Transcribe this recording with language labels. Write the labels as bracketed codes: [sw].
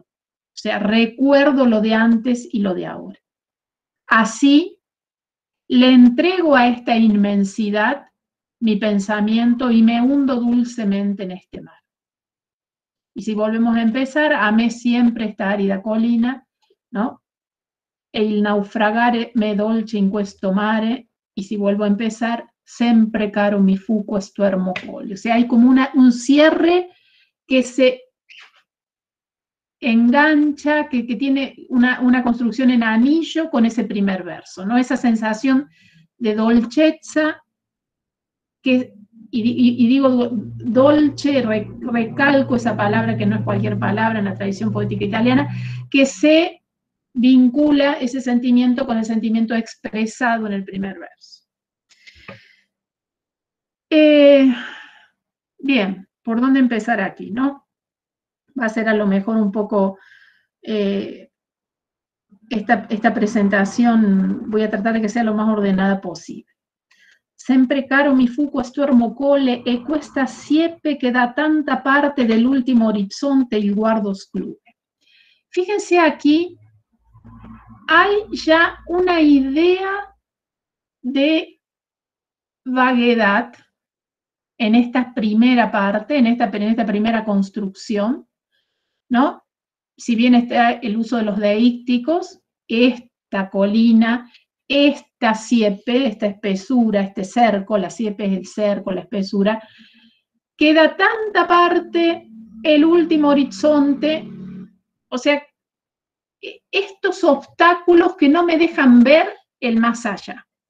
[es] O sea, recuerdo lo de antes y lo de ahora. Así, le entrego a esta inmensidad mi pensamiento y me hundo dulcemente en este mar. Y si volvemos a empezar, amé siempre esta árida colina, ¿no? [it] El naufragare me dolce in questo mare, [es] y si vuelvo a empezar, [it] sempre caro mi fu questo ermo colle. [es] O sea, hay como un cierre que se engancha, que tiene una construcción en anillo con ese primer verso, ¿no? Esa sensación de dolcezza, y digo dolce, recalco esa palabra que no es cualquier palabra en la tradición poética italiana, que se vincula ese sentimiento con el sentimiento expresado en el primer verso. Bien, ¿por dónde empezar aquí, no? Va a ser a lo mejor un poco esta presentación, voy a tratar de que sea lo más ordenada posible. [it] Sempre caro mi fu questo ermo colle e questa siepe che da tanta parte dell'ultimo orizzonte il guardo sclude. [es] Fíjense aquí, hay ya una idea de vaguedad en esta primera parte, en esta primera construcción, ¿no? Si bien está el uso de los deícticos, esta colina, esta siepe, esta espesura, este cerco, la siepe es el cerco, la espesura, queda tanta parte el último horizonte, o sea, estos obstáculos que no me dejan ver el más allá.